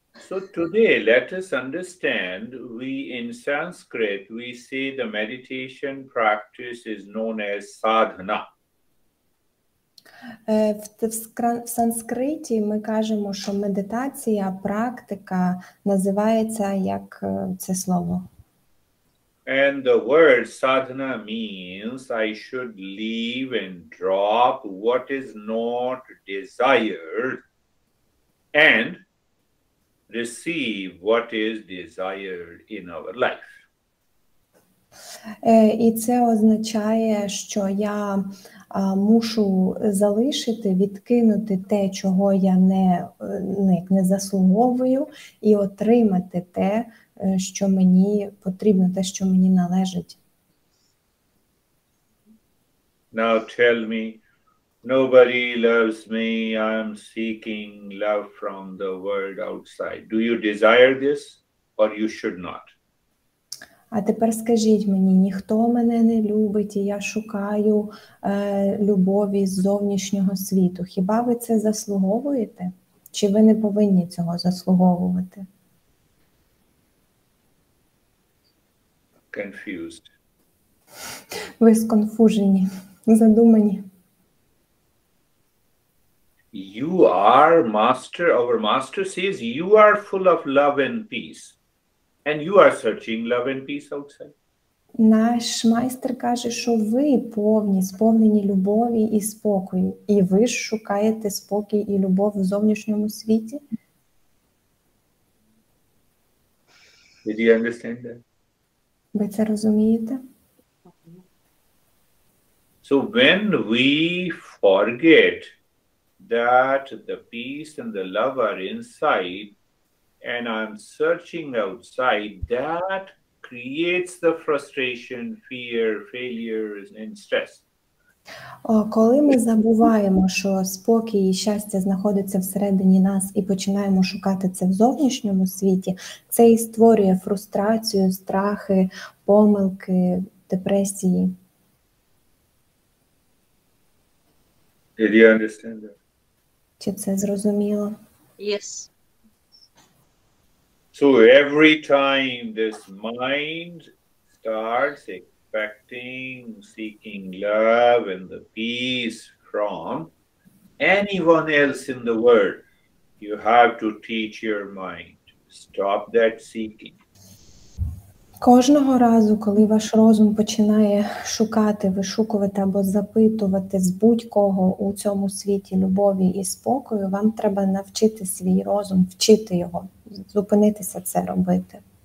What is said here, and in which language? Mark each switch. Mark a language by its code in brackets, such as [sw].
[en] So today, let us understand, we in Sanskrit, we say the meditation practice is known as sadhana. [uk] В санскриті ми кажемо, що медитація, практика називається як це слово. [en] And the word sadhana means I should leave and drop what is not desired and receive what is desired in our life. [uk] І це означає, що я мушу залишити, відкинути те, чого я не заслуговую, і отримати те, що мені потрібно, те, що мені належить. [en] Now tell me, nobody loves me, I'm seeking love from the world outside. Do you desire this or you should not? [uk] А тепер скажіть мені, ніхто мене не любить, і я шукаю любові з зовнішнього світу. Хіба ви це заслуговуєте? Чи ви не повинні цього заслуговувати? [en] Confused. [uk] Ви сконфужені, задумані. [en] You are master, our master says you are full of love and peace. And you are searching love and peace outside. [uk] Наш майстер каже, що ви повні, сповнені любові і спокою. І ви ж шукаєте спокій і любов в зовнішньому світі. [en] Did you understand that? [uk] Ви це розумієте? [en] So when we forget that the peace and the love are inside, and I'm searching outside, that creates the frustration, fear, failures, and stress. [uk] Коли ми забуваємо, що спокій і щастя знаходиться всередині нас і починаємо шукати це в зовнішньому світі, це і створює фрустрацію, страхи, помилки, депресії. [en] Did you understand that? [uk] Чи це зрозуміло? [en] Yes. So every time this mind starts expecting, seeking love and the peace from anyone else in the world, you have to teach your mind, stop that seeking. [uk] Кожного разу, коли ваш розум починає шукати, вишукувати або запитувати з будь-кого у цьому світі любові і спокою, вам треба навчити свій розум, вчити його, зупинитися це робити.